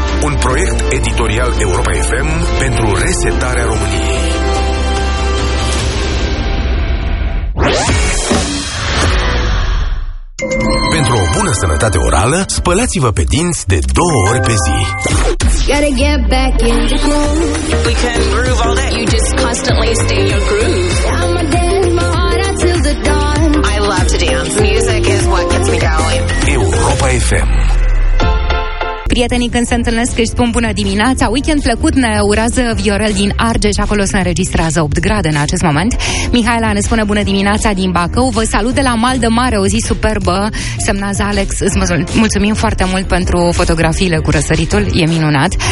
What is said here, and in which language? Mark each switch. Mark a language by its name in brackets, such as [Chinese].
[Romanian] Un proiect editorial Europa FM pentru resetarea României. Pentru o bună sănătate orală, spălați-vă pe dinți de două ori pe zi. [English] Gotta get back in the groove. We can groove all day. You just constantly stay in your groove. Dance. Music is what gets me going. Europa FM. [Romanian] Prietenii când se întâlnesc își spun bună dimineața. Weekend plăcut ne urează Viorel din Argeș, acolo se înregistrează 8 grade în acest moment. Mihaela ne spune bună dimineața din Bacău. Vă salut de la Mal de Mare, o zi superbă, semnează Alex. Îți mulțumim foarte mult pentru fotografiile cu răsăritul, e minunat.